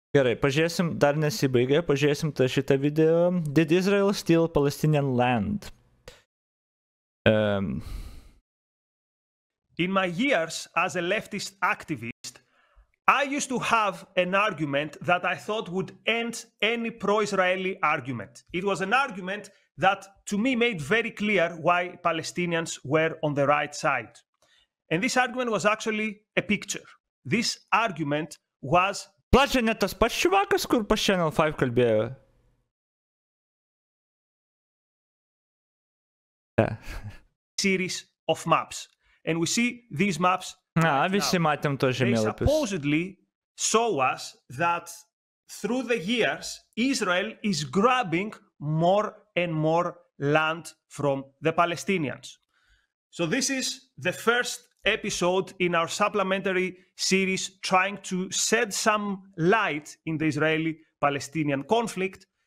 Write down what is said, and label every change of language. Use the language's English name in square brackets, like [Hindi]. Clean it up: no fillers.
[Lithuanian] Gerai, pažiūrėsim, dar nesibaigė, pažiūrėsim tą šitą video. [English] Did Israel steal Palestinian land? In my years as a leftist activist, I used to have an argument that I thought would end any pro-Israeli argument. It was an argument that to me made very clear why Palestinians were on the right side. And this argument was actually a picture. This argument was... [Lithuanian] Plačia ne tas pats čivakas, kur pas Channel 5 kalbėjo. [English] Series of maps. And we see these maps... [Lithuanian] Na, visi matėm tos žemėlapius. [English] They supposedly show us that through the years, Israel is grabbing more and more land from the Palestinians. So this is the first episode in our supplementary series trying to shed some light in the Israeli-Palestinian conflict.